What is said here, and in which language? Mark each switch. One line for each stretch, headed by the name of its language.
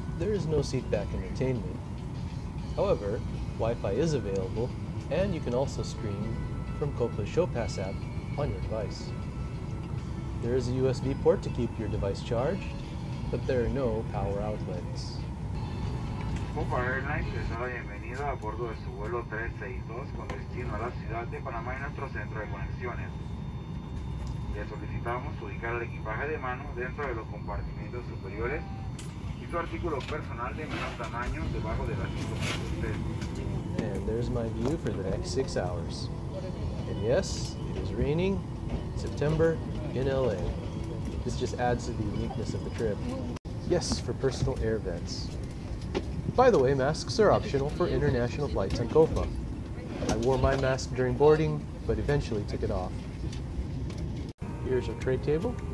English: There is no seat back entertainment. However, Wi-Fi is available, and you can also stream from Copa's ShowPass app on your device. There is a USB port to keep your device charged, but there are no power outlets.
Spanish: Copa Airlines, les doy la bienvenida. bienvenido a bordo de su vuelo 362 con destino a la ciudad de Panamá y nuestro centro de conexiones. Le solicitamos ubicar el equipaje de mano dentro de los compartimentos superiores y su artículo personal de menor tamaño debajo del asiento usted.
English: And there's my view for the next 6 hours. And yes, it is raining, September, in LA. This just adds to the uniqueness of the trip. Yes, for personal air vents. By the way, masks are optional for international flights on Copa. I wore my mask during boarding, but eventually took it off. Here's our tray table.